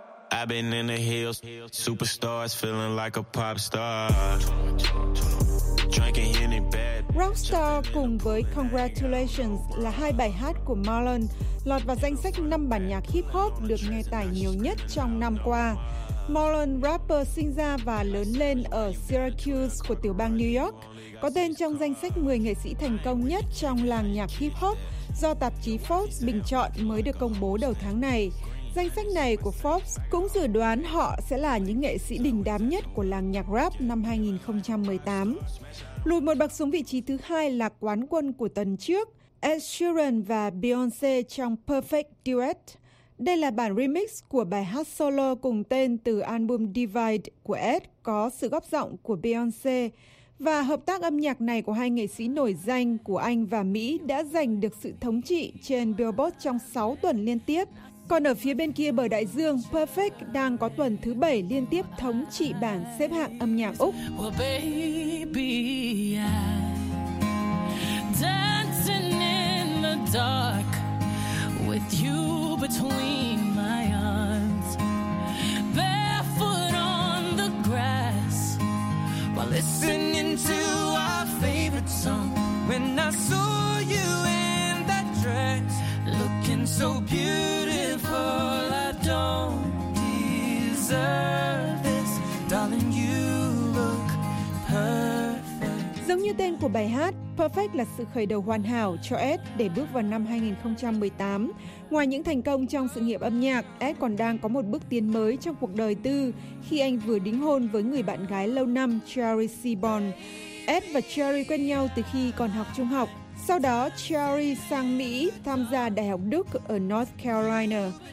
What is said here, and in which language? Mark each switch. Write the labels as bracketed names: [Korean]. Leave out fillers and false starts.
[English] I've been in the hills, superstars feeling like a pop star. Drinking Henny bad. [Vietnamese] Rockstar cùng với Congratulations là hai bài hát của Marlon lọt vào danh sách 5 bản nhạc hip hop được nghe tải nhiều nhất trong năm qua. Marlon, rapper sinh ra và lớn lên ở Syracuse của tiểu bang New York, có tên trong danh sách 10 nghệ sĩ thành công nhất trong làng nhạc hip hop do tạp chí Forbes bình chọn mới được công bố đầu tháng này. Danh sách này của Forbes cũng dự đoán họ sẽ là những nghệ sĩ đình đám nhất của làng nhạc rap năm 2018. Lùi một bậc xuống vị trí thứ hai là quán quân của tuần trước, Ed Sheeran và Beyoncé trong Perfect Duet. Đây là bản remix của bài hát solo cùng tên từ album Divide của Ed có sự góp giọng của Beyoncé. Và hợp tác âm nhạc này của hai nghệ sĩ nổi danh của Anh và Mỹ đã giành được sự thống trị trên Billboard trong 6 tuần liên tiếp. Còn ở phía bên kia bờ đại dương, Perfect đang có tuần thứ 7 liên tiếp thống trị bảng xếp hạng âm nhạc Úc. [English] Well, baby, dancing in the dark with you between my arms, barefoot on the grass while listening to our favorite song. When I saw you in that dress looking so beautiful, I don't deserve this, darling, you look perfect. [Vietnamese] Giống như tên của bài hát, Perfect là sự khởi đầu hoàn hảo cho Ed để bước vào năm 2018. Ngoài những thành công trong sự nghiệp âm nhạc, Ed còn đang có một bước tiến mới trong cuộc đời tư khi anh vừa đính hôn với người bạn gái lâu năm Cherry Seaborn. Ed và Cherry quen nhau từ khi còn học trung học. Sau đó, Cherry sang Mỹ tham gia Đại học Đức ở North Carolina.